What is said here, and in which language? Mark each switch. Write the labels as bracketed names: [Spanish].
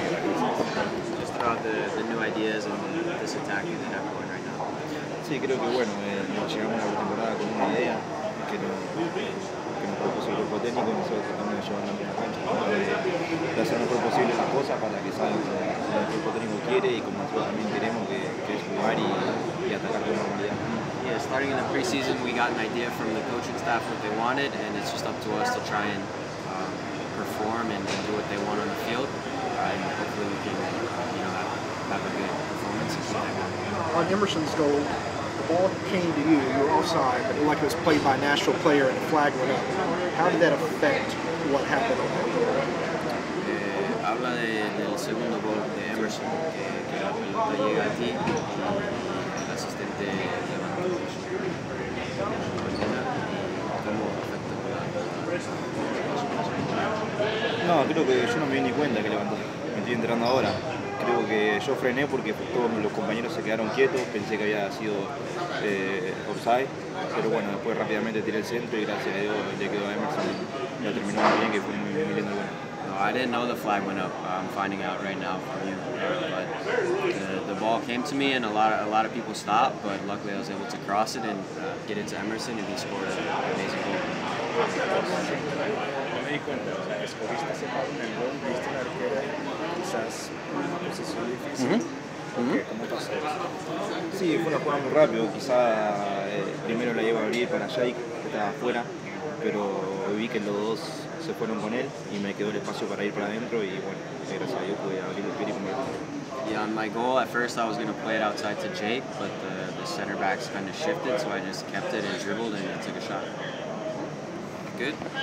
[English] Just about the new ideas on this attack that they have going right now. [Spanish] Sí, creo que bueno, llegamos a la temporada con una idea que no. Propuso el cuerpo técnico, nosotros tratamos de llevarlo a la cancha, de hacer lo mejor posible las cosas para que salga como el cuerpo técnico quiere y como nosotros también queremos que es jugar y atacar con normalidad. [English] Yeah, starting in the preseason we got an idea from the coaching staff what they wanted and it's just up to us to try and perform and do what they want on the field and hopefully we can have a good performance. On Emerson's goal, ball came to you, you were offside, but like it was played by a national player and the flag went up. How did that affect what happened on that goal? [Spanish] Habla del segundo gol de Emerson, que la pelota llega a ti y el asistente levanta la bandera y cómo afecta la No, creo que yo no me di ni cuenta que levantó. Me estoy enterando ahora. Creo que yo frené porque todos los compañeros se quedaron quietos, pensé que había sido offside, pero bueno, después rápidamente tiré el centro y gracias a Dios le quedó a Emerson y la terminó muy bien, que fue muy lindo. Bueno. [English] No, I didn't know the flag went up. I'm finding out right now from you, but the ball came to me and a lot of people stopped, but luckily I was able to cross it and get it to Emerson and he scored an amazing goal. [Spanish] Sí, fue una jugada muy rápido, quizá primero la iba a abrir para Jake, que estaba afuera, pero vi que los dos se fueron con él y me quedó el espacio para ir para adentro y bueno, gracias a Dios pude abrir el pie y comer. [English] Yeah, on my goal, at first I was going to play it outside to Jake, but the center backs kind of shifted, so I just kept it and dribbled and took a shot. Good.